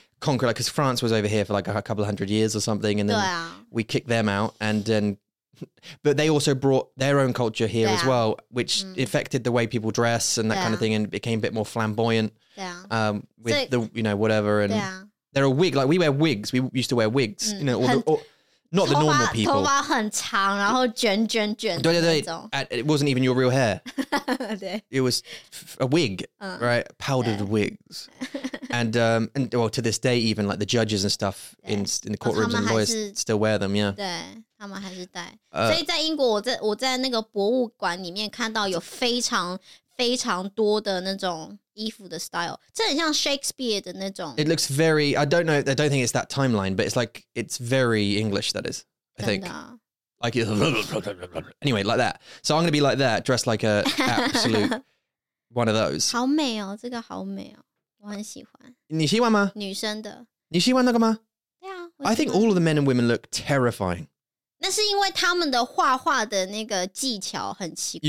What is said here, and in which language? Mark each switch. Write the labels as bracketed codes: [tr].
[en] Conquer, like, because France was over here for like a couple of hundred years or something, and then we kicked them out, and then, but they also brought their own culture here as well, which affected the way people dress and that kind of thing, and became a bit more flamboyant. With so, the you know whatever, and they're a wig. Like we wear wigs. We used to wear wigs, you know, not the normal people. [zh] 头发很长，然后卷卷卷的那种。对对对， [en] it wasn't even your real hair. [zh] 对 [en] ，it was a wig, right? Powdered wigs. And well, to this day, even like the judges and stuff in the courtrooms and lawyers still wear them. Yeah, [zh] 对，他们还是戴。所以在英国，我在那个博物馆里面看到有非常非常多的那种衣服的 style， 这很像 Shakespeare 的那种。 [en] It looks very. I don't know. I don't think it's that timeline, but it's like it's very English. That is, I think. Like anyway, like that. So I'm gonna be like that, dressed like a absolute one of those. [zh] 好美哦，这个好美哦。我很喜欢。你喜欢吗？女生的。你喜欢那个吗？对啊。 [en] I think all of the men and women look terrifying. [zh] 那是因为他们的画画的那个技巧很奇怪。